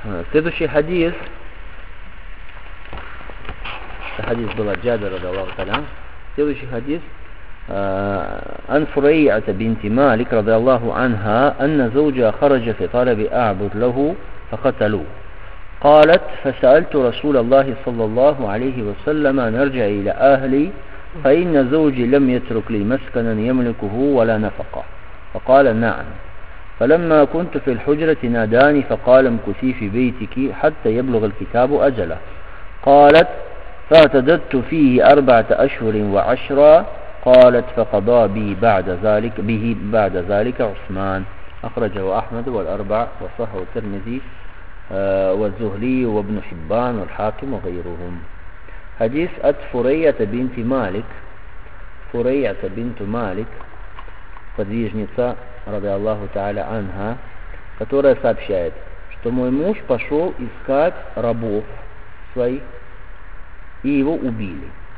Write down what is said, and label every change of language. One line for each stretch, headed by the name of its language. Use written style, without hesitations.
Russian: Следующий хадис. Это хадис был от Джабира радиаллаху анху. Следующий хадис.
Arabic: عن فريعة بنت مالك رضي الله عنها أن زوجها خرج في طلب أعبد له فقتلوه قالت فسألت رسول الله صلى الله عليه وسلم نرجع إلى أهلي فإن زوجي لم يترك لي مسكنا يملكه ولا نفقه فقال نعم فلما كنت في الحجرة ناداني فقال امكثي في بيتك حتى يبلغ الكتاب أجله. قالت فاعتددت فيه 4 أشهر و10. قالت فقضى بي بعد ذلك به بعد ذلك عثمان. أخرجه أحمد والأربع وصححه الترمذي والزهلي وابن حبان والحاكم وغيرهم. حديث فريعة بنت مالك. فريعة بنت مالك خديجница رضي الله تعالى عنها,
Russian: которая сообщает, что мой муж пошел искать рабов своих и его убили.